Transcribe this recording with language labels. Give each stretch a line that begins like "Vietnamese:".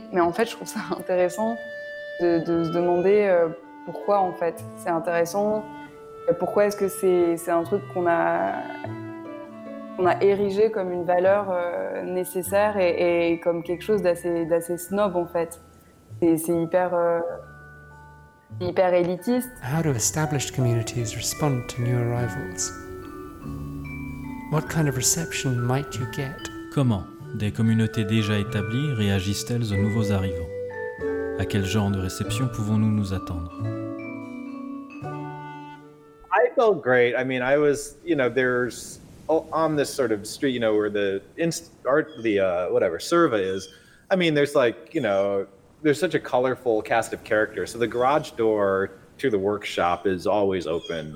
French: Mais en fait, je trouve ça intéressant de se demander pourquoi, en fait. C'est intéressant, pourquoi est-ce que c'est un truc qu'on a érigé comme une valeur nécessaire et comme quelque chose d'assez snob, en fait. C'est hyper, hyper élitiste.
English: How do established communities respond to new arrivals? What kind of reception might you get?
French: Comment des communautés déjà établies réagissent-elles aux nouveaux arrivants? À quel genre de réception pouvons-nous nous attendre?
English: I felt great. I mean, I was, you know, there's on this sort of street, you know, where the serva is. I mean, there's like, you know, there's such a colorful cast of characters. So the garage door to the workshop is always open.